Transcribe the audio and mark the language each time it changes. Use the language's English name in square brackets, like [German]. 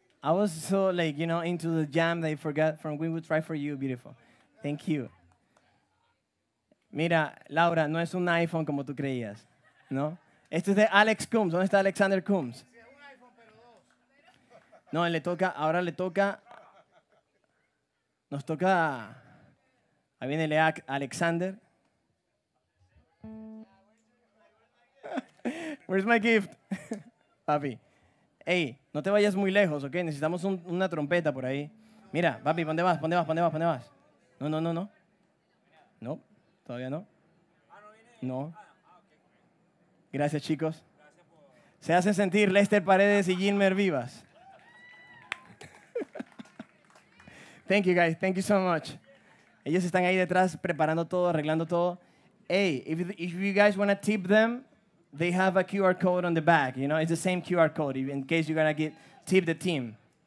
[English] I was so, like, you know, into the jam that I forgot from We Will Try For You, beautiful. Thank you. [Spanish] Mira, Laura, no es un iPhone como tú creías, ¿no? Este es de Alex Coombs. ¿Dónde está Alexander Coombs? Sí, es un iPhone, pero dos. No, ahora le toca, nos toca, ahí viene Alexander. [English] Where's my gift? [Spanish] Papi. Ey, no te vayas muy lejos, ¿ok? Necesitamos una trompeta por ahí. Mira, papi, ¿dónde vas? ¿Dónde vas? ¿Dónde vas? ¿Dónde vas? No, no, no, no. No, todavía no. No. Gracias, chicos. Se hacen sentir Lester Paredes y Gilmer Vivas. [English] Thank you guys, thank you so much. [Spanish] Ellos están ahí detrás preparando todo, arreglando todo. [English] Hey, if you guys want to tip them, they have a QR code on the back, you know? It's the same QR code in case you're going to get tip the team.